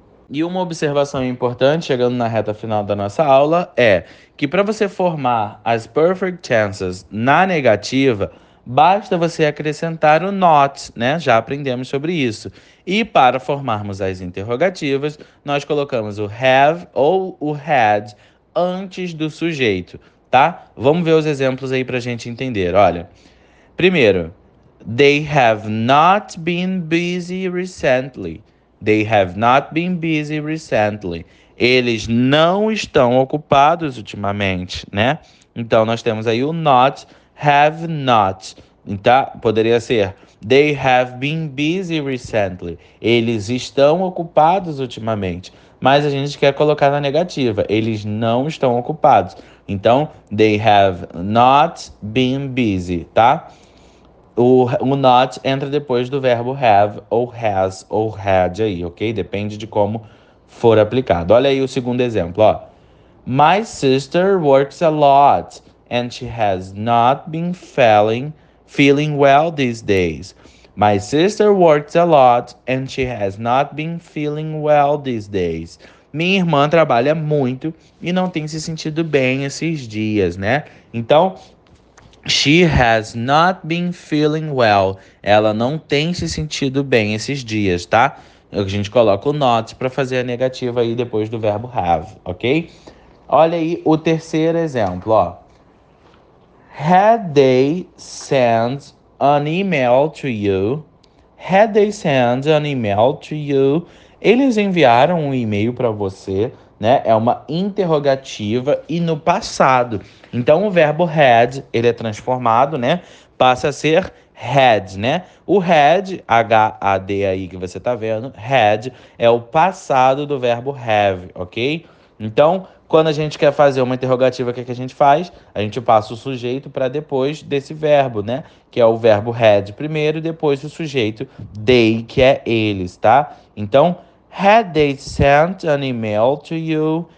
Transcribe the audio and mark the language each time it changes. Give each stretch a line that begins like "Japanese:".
Portuguese: E uma observação importante, chegando na reta final da nossa aula, é que para você formar as perfect tenses na negativa, basta você acrescentar o not, né? Já aprendemos sobre isso. E para formarmos as interrogativas, nós colocamos o have ou o had antes do sujeito, tá? Vamos ver os exemplos aí para a gente entender. Olha, primeiro,
English: they have not been busy recently. They have not been busy recently.
Portuguese: Eles não estão ocupados ultimamente, né? Então, nós temos aí o not, have not. Então, poderia ser
English: they have been busy recently.
Portuguese: Eles estão ocupados ultimamente. Mas a gente quer colocar na negativa. Eles não estão ocupados. Então,
English: they have not been busy,
Portuguese: tá? O not entra depois do verbo have, ou has, ou had aí, ok? Depende de como for aplicado. Olha aí o segundo exemplo, ó.
English: My sister works a lot, and she has not been feeling well these days. My sister works a lot, and she has not been feeling well these days.
Portuguese: Minha irmã trabalha muito e não tem se sentido bem esses dias, né? Então,
English: she has not been feeling well.
Portuguese: Ela não tem se sentido bem esses dias, tá? A gente coloca o not para fazer a negativa aí depois do verbo have, ok? Olha aí o terceiro exemplo, ó.
English: Had they sent an email to you, Had they sent an email to you?
Portuguese: Eles enviaram um e-mail para você, né? É uma interrogativa e no passado. Então o verbo had, ele é transformado, né? Passa a ser had, né? O had, HAD aí que você tá vendo, had é o passado do verbo have, ok? Então, quando a gente quer fazer uma interrogativa, o que é que a gente faz? A gente passa o sujeito para depois desse verbo, né? Que é o verbo had primeiro, depois o sujeito they, que é eles, tá? Então,
English: had they sent an email to you?